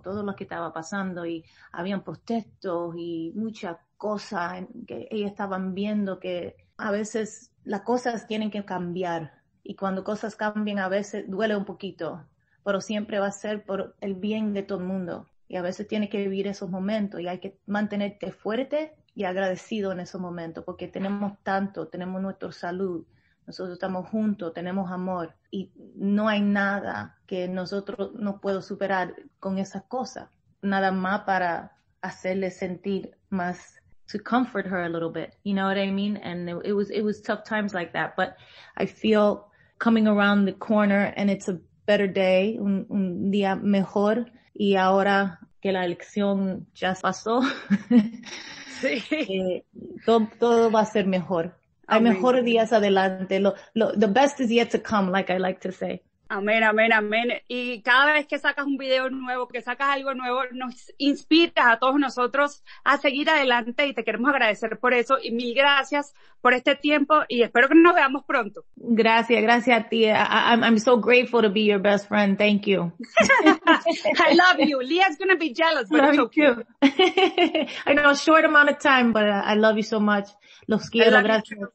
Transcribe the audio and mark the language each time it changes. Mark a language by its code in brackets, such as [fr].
[es] Todo lo que estaba pasando, y habían protestos y muchas cosas que ellas estaban viendo, que a veces las cosas tienen que cambiar, y cuando cosas cambian a veces duele un poquito, pero siempre va a ser por el bien de todo el mundo, y a veces tienes que vivir esos momentos y hay que mantenerte fuerte y agradecido en esos momentos, porque tenemos tanto, tenemos nuestra salud, nosotros estamos juntos, tenemos amor, y no hay nada que nosotros no podamos superar con esas cosas, nada más para hacerles sentir más [en] to comfort her a little bit. You know what I mean? And it was tough times like that. But I feel coming around the corner and it's a better day, [es] un día mejor. Y ahora que la elección ya pasó, sí. todo va a ser mejor. Hay mejores días adelante. [en] The best is yet to come, like I like to say. [es] Amén, amén, amén. Y cada vez que sacas un video nuevo, que sacas algo nuevo, nos inspiras a todos nosotros a seguir adelante y te queremos agradecer por eso. Y mil gracias por este tiempo y espero que nos veamos pronto. Gracias, gracias a ti. [en] I'm so grateful to be your best friend. Thank you. I love you. Leah's going to be jealous, but love it's okay. You too. I know a short amount of time, but I love you so much. [es] Los quiero, gracias.